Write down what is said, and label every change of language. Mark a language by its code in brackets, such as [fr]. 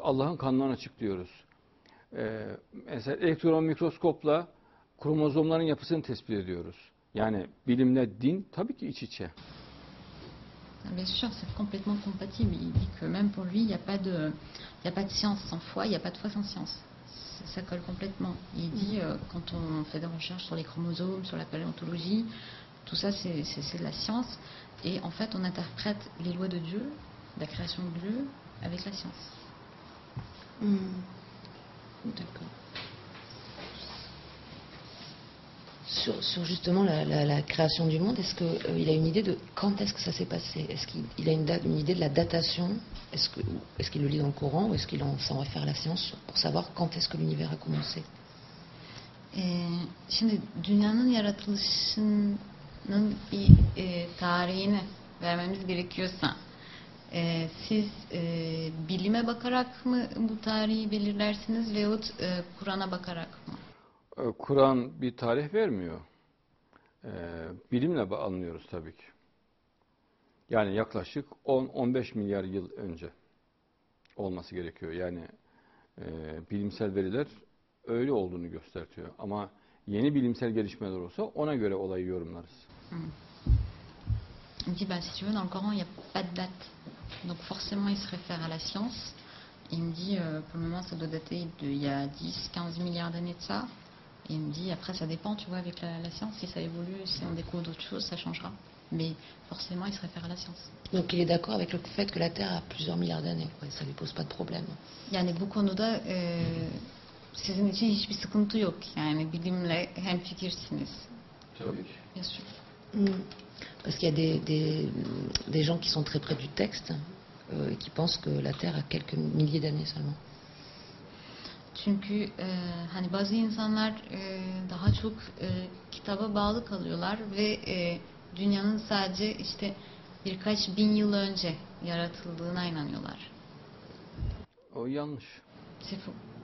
[tr] Allah'ın kanunlarını açıklıyoruz. Mesela elektron mikroskopla kromozomların yapısını tespit ediyoruz. Yani bilimle din tabii ki iç içe. [fr] Bien sûr, c'est complètement compatible. Il dit que même pour lui, il n'y a pas de science sans foi, il n'y a pas de foi sans science. Ça colle complètement. Il dit, quand on fait des recherches sur les chromosomes, sur la paléontologie, tout ça, c'est de la science. Et en fait, on interprète les lois de Dieu, la création de Dieu, avec la science. D'accord. Sur justement la création du monde, est-ce qu'il a une idée de quand est-ce que ça s'est passé? Est-ce qu'il a une idée de la datation? Est-ce qu'il le lit dans le Coran ou est-ce qu'il s'en réfère à la science pour savoir quand est-ce que l'univers a commencé? [tr] Şimdi dünyanın yaratılışının tarihini vermemiz gerekiyorsa, siz bilime bakarak mı bu tarihi belirlersiniz veyahut Kur'an'a bakarak mı? Kur'an bir tarih vermiyor. Bilimle anlıyoruz tabii ki. Yani yaklaşık 10-15 milyar yıl önce olması gerekiyor. Yani bilimsel veriler öyle olduğunu gösteriyor. Ama yeni bilimsel gelişmeler olsa ona göre olayı yorumlarız. [fr] Dit bah si tu veux dans le Coran il n'y a pas de date. Donc forcément il se réfère à la science. Il me dit pour le moment ça doit dater d'il y a 10-15 milliards d'années de ça. Et il me dit, après ça dépend, tu vois, avec la science, si ça évolue, si on découvre d'autres choses, ça changera. Mais forcément, il se réfère à la science. Donc il est d'accord avec le fait que la Terre a plusieurs milliards d'années, quoi, ça ne lui pose pas de problème. [tr] Yani bu konuda sizin için hiçbir sıkıntı yok. Yani bilimle hemfikirsiniz. Tabii. [fr] Bien sûr. Parce qu'il y a des gens qui sont très près du texte, et qui pensent que la Terre a quelques milliers d'années seulement. [tr] Çünkü hani bazı insanlar daha çok kitaba bağlı kalıyorlar ve dünyanın sadece işte birkaç bin yıl önce yaratıldığına inanıyorlar. O yanlış. Sefum.